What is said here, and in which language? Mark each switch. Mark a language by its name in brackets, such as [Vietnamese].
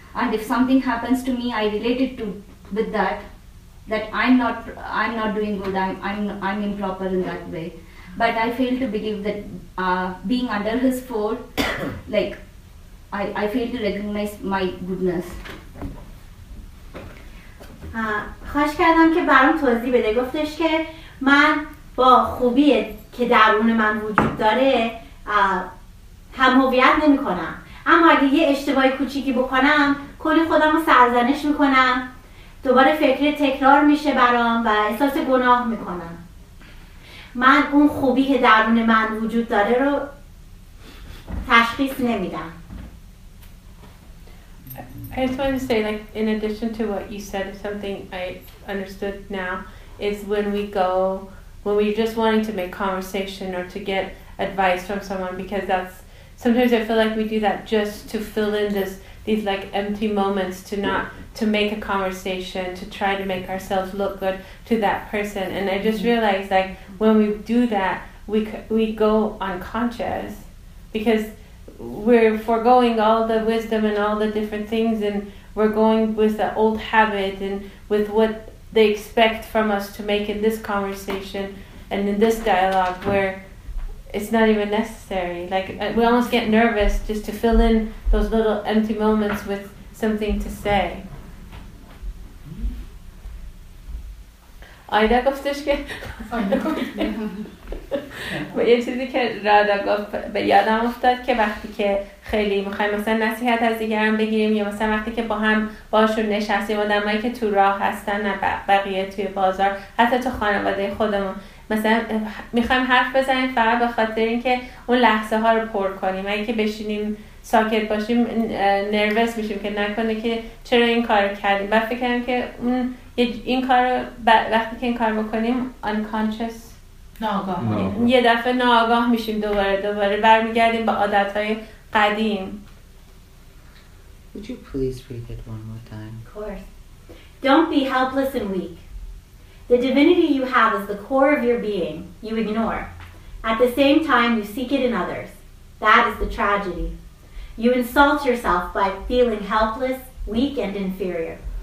[English] And if something happens to me, I relate it to with that I'm not doing good. I'm improper in that way. But I fail to believe that being under his fold, like I fail to recognize my goodness. [Persian] خواهش کردم که برام توضیح بده. گفتش که من با خوبی که درون من وجود داره هم‌هویت نمی‌کنم. اما اگه یه اشتباه کوچیکی بکنم، کلی خودم رو سرزنش میکنم، دوباره فکر تکرار میشه برام و احساس گناه میکنم. من اون خوبی که درون من وجود داره رو تشخیص نمیدم. [English] I just wanted to say, like, in addition to what you said, something I understood now is when we're just wanting to make conversation or to get advice from someone, because that's sometimes I feel like we do that just to fill in these like empty moments, to make a conversation, to try to make ourselves look good to that person. And I just realized, like, when we do that, we go unconscious, because we're foregoing all the wisdom and all the different things, and we're going with the old habit and with what they expect from us to make in this conversation and in this dialogue, where it's not even necessary. Like, we almost get nervous just to fill in those little empty moments with something to say. [Persian] آیدا گفتش که یه چیزی که رادا گفت به یادم افتاد که وقتی که خیلی میخواییم مثلا نصیحت از دیگران بگیریم، یا مثلا وقتی که با هم باشون نشستیم، آدمایی که تو راه هستن، بقیه توی بازار، حتی تو خانواده خودمون، مثلا میخوایم حرف بزنیم فقط به خاطر اینکه اون لحظه ها رو پر کنیم. اگه که بشینیم ساکت باشیم، نروس میشیم که نکنه که چرا این کار رو کردیم. بعد فکر کنم که اون این کار رو وقتی که این کار میکنیم unconscious ناآگاه، یه دفعه ناآگاه میشیم، دوباره برمیگردیم به عادت های قدیم. [English] Would you please read it one more time? Of course. Don't be helpless and weak. The divinity you have is the core of your being, you ignore. At the same time, you seek it in others. That is the tragedy. You insult yourself by feeling helpless, weak, and inferior.